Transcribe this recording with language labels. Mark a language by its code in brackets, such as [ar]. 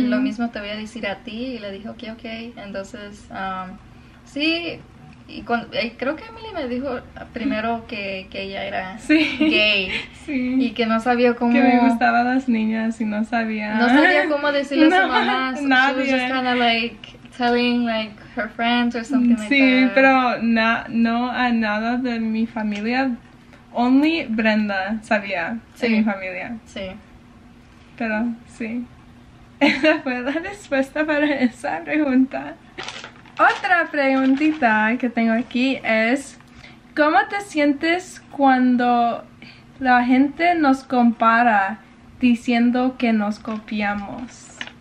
[es] Lo mismo te voy a decir a ti. Y le dije, ok. Entonces, sí. Y creo que Emily me dijo primero que ella era sí. gay. Sí. Y que no sabía cómo... Que me gustaban las niñas y no sabía... No sabía cómo decirle no, a su mamá. Nadie. [en] She was just kinda like telling like her friends or something [es] sí, [en] like that. [es] Sí, pero no a nada de mi familia... Only Brenda sabía de mi familia. Sí. Pero, sí. fue la respuesta para esa pregunta. Otra preguntita que tengo aquí es, ¿cómo te sientes cuando la gente nos compara diciendo que nos copiamos?